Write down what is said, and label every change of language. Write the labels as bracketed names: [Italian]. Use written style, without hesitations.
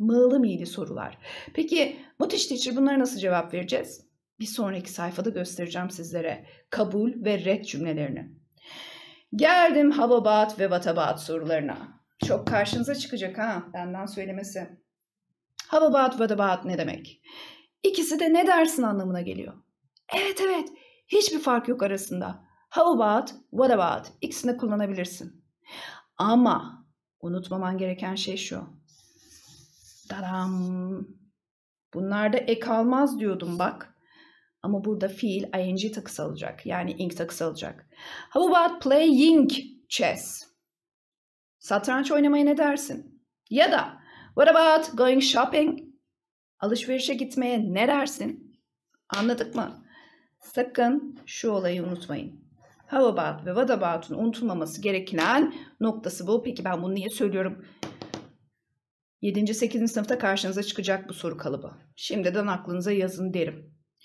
[Turkish] Mı'lı mi'li sorular. Peki Mutiş Teacher bunlara nasıl cevap vereceğiz? Bir sonraki sayfada göstereceğim sizlere kabul ve red cümlelerini. Geldim how about ve what about sorularına. Çok karşınıza çıkacak ha benden söylemesi. How about, what about ne demek? İkisi de ne dersin anlamına geliyor. Evet evet hiçbir fark yok arasında. How about, what about ikisini de kullanabilirsin. Ama unutmaman gereken şey şu. Dadam. Bunlarda ek almaz diyordum bak. Ama burada fiil ing takısı alacak. Yani ing takısı alacak. [English] How about playing chess? [Turkish] Satranç oynamaya ne dersin? Ya da [English] what about going shopping? [Turkish] Alışverişe gitmeye ne dersin? Anladık mı? Sakın şu olayı unutmayın. How about ve what about'un unutulmaması gereken noktası bu. Peki ben bunu niye söylüyorum? 7. 8. sınıfta karşınıza çıkacak bu soru kalıbı. Şimdiden aklınıza yazın derim.